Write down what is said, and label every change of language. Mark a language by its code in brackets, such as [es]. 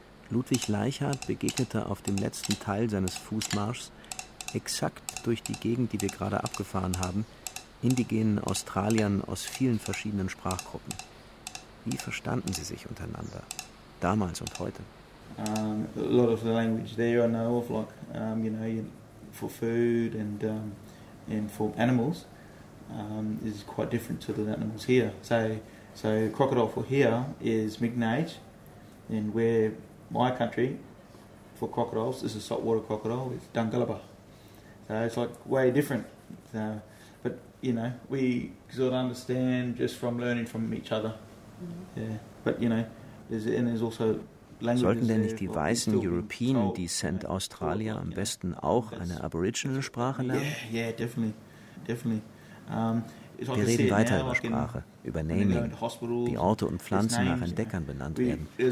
[de] Ludwig Leichhardt begegnete auf dem letzten Teil seines Fußmarschs exakt durch die Gegend, die wir gerade abgefahren haben, indigenen Australiern aus vielen verschiedenen Sprachgruppen. Wie verstanden sie sich untereinander, damals und heute? [en] A lot of the language there I know of, like, you know, for food and for animals, is quite different to the animals here. So crocodile for here is Mignage, and where my country for crocodiles is a saltwater crocodile, it's Dungalaba. So it's like way different. So, but you know, we sort of understand just from learning from each other. Mm-hmm. Yeah. But you know, there's also languages. [de] Sollten denn nicht die weißen [en] European Descent Australia [de] am besten auch eine Aboriginal Sprache lernen? [en] Yeah, definitely. Definitely. [de] Wir reden weiter über Sprache, über Naming, wie Orte und Pflanzen nach Entdeckern benannt werden.